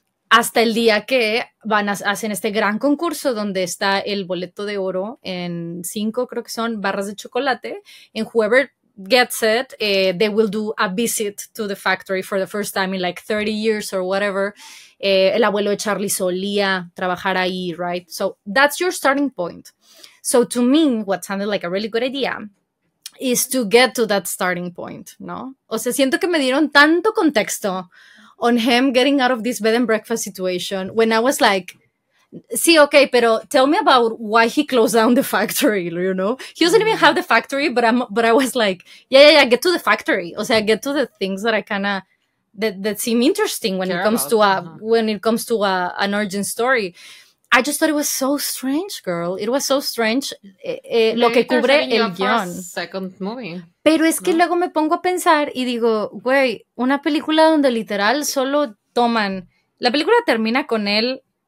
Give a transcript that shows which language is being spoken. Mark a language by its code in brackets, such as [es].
[es] Hasta el día que hacen este gran concurso donde está el boleto de oro en 5, creo que son, barras de chocolate, en [en] whoever gets it, they will do a visit to the factory for the first time in like 30 years or whatever. [es] El abuelo de Charlie solía trabajar ahí, right? [en] So that's your starting point. So to me, what sounded like a really good idea is to get to that starting point, ¿no? [es] O sea, siento que me dieron tanto contexto [en] on him getting out of this bed and breakfast situation when I was like, [es] sí, okay, pero [en] tell me about why he closed down the factory, you know? He doesn't even have the factory, but I was like, yeah, get to the factory. [es] O sea, [en] get to the things that I kind of, that seem interesting when it comes to an origin story. I just thought it was so strange, girl. It was so strange [es] lo que cubre el guión. [en] Second movie. [es] Pero es que luego me pongo a pensar y digo, güey, una película donde literal solo toman... La película termina con él